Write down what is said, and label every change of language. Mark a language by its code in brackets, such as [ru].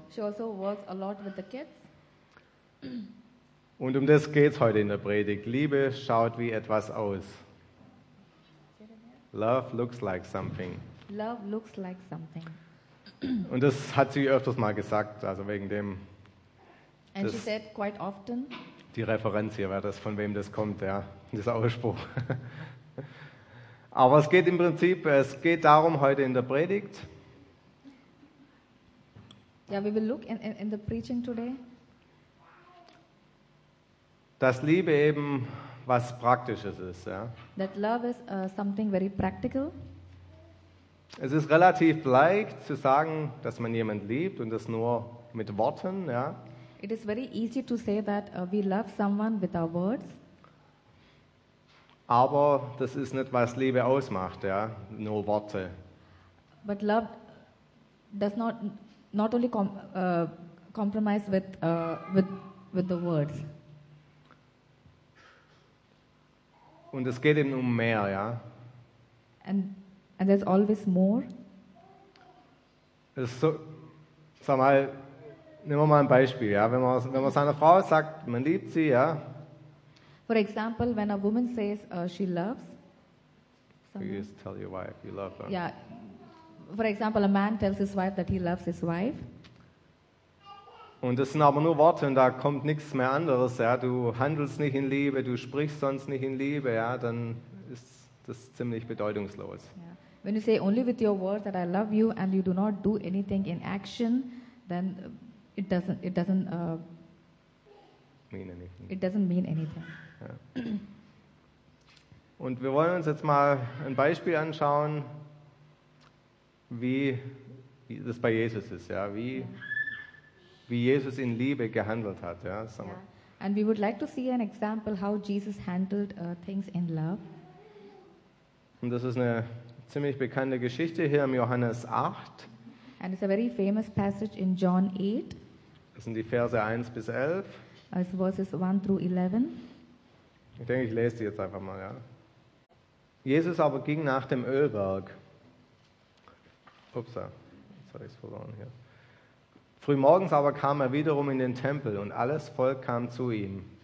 [en] She also works a lot with the kids. [de] Und um das geht's heute in der Predigt. Liebe schaut wie etwas aus. [en] Love looks like something. Love looks like something. [de] Und das hat sie öfters mal gesagt, also wegen dem. [en] And she said quite often. [de] Die Referenz hier, wer das, von wem das kommt, ja, dieser Ausspruch. Aber es geht im Prinzip, es geht darum heute in der Predigt. [en] Ja, we will look in the preaching today. [de] Dass Liebe eben was Praktisches ist, ja. [en] That love is something very practical. [de] Es ist relativ leicht zu sagen, dass man jemanden liebt und das nur mit Worten, ja. [en] It is very easy to say that we love someone with our words. [de] Aber das ist nicht, was Liebe ausmacht, ja, nur Worte. [en] But love does not only compromise with the words. [de] Und es geht eben um mehr, ja. [en] And there's always more. [de] Es ist so, sag mal, nehmen wir mal ein Beispiel, ja. Wenn man seiner Frau sagt, man liebt sie, ja. [en] For example, when a woman says she loves someone. You just tell your wife you love her. Yeah. For example, a man tells his wife that he loves his wife. [de] Und das sind aber nur Worte und da kommt nichts mehr anderes. Ja. Du handelst nicht in Liebe, du sprichst sonst nicht in Liebe, ja, dann ist das ziemlich bedeutungslos. [en] Yeah. When you say only with your words that I love you and you do not do anything in action, then it doesn't mean anything. [de] Ja. Und wir wollen uns jetzt mal ein Beispiel anschauen, wie das bei Jesus ist, ja, wie Jesus in Liebe gehandelt hat, ja. [en] Yeah. And we would like to see an example how Jesus handled things in love. [de] Und das ist eine ziemlich bekannte Geschichte hier im Johannes 8. [en] And it's a very famous passage in John 8. [de] Das sind die Verse 1 bis 11. [en] As verses 1 through 11. [de] Ich denke, ich lese die jetzt einfach mal, ja. Jesus aber ging nach dem Ölberg. Upsa, jetzt habe ich es verloren hier. Frühmorgens aber kam er wiederum in den Tempel und alles Volk kam zu ihm.